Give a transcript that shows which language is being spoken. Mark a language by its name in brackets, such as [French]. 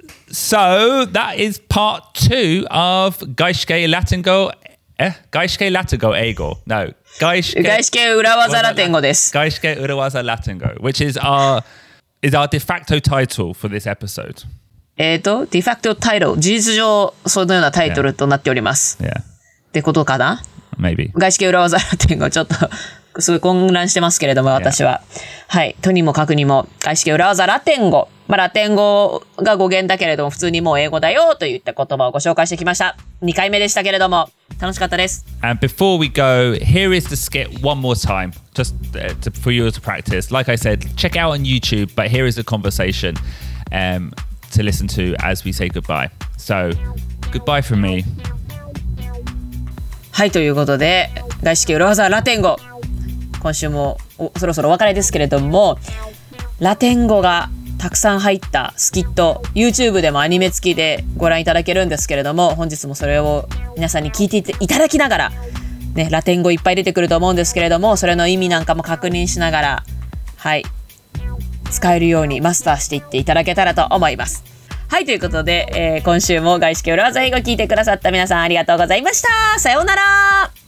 [English] So that is part two of Gaishike Latin Go. Eh? Gaishike Latin Go Eigo. No. [Japanese] Gaishike Urawaza Latin Go desu. [English] Gaishike Urawaza Latin Go, which is our de facto title for this episode. De facto title. [Japanese] 事実上そのようなタイトルとなっております。 [English] Yeah. Yeah. [Japanese] ってことかな? [English] Maybe. [Japanese] Gaishike Urawaza Latin Go. ちょっと。すごい混乱してますけれども、私は。 Yeah. はい。とにもかくにも、外資系裏技ラテン語。まあ、ラテン語が語源だけれども、普通にもう英語だよといった言葉をご紹介してきました。 2回目でしたけれども、楽しかったです。 [English] And before we go, here is the skit one more time, just to, for you to practice. Like I said, check out on YouTube, but here is the conversation, to listen to as we say goodbye. So, goodbye from me. [Japanese] はい、ということで、外資系裏技ラテン語。今週もそろそろお別れですけれどもラテン語がたくさん入ったスキット YouTube でもアニメ付きでご覧いただけるんですけれども本日もそれを皆さんに聞いていただきながら、ね、ラテン語いっぱい出てくると思うんですけれどもそれの意味なんかも確認しながらはい使えるようにマスターしていっていただけたらと思いますはいということで、今週も外資系裏技英語聞いてくださった皆さんありがとうございましたさようなら